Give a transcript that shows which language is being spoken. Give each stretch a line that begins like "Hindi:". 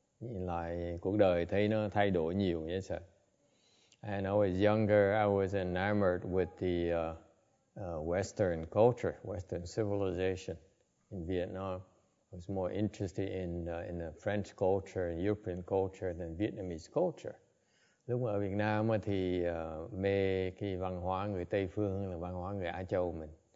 Vietnamese: Lại cuộc đời thấy nó thay đổi nhiều,
English: yes sir. And I was younger, I was enamored with the Western culture, Western civilization in Vietnam. I was more interested in the French culture and European culture than Vietnamese culture.
Vietnamese: Lúc ở Việt Nam thì mê cái văn hóa người Tây Phương là văn hóa người Á Châu mình.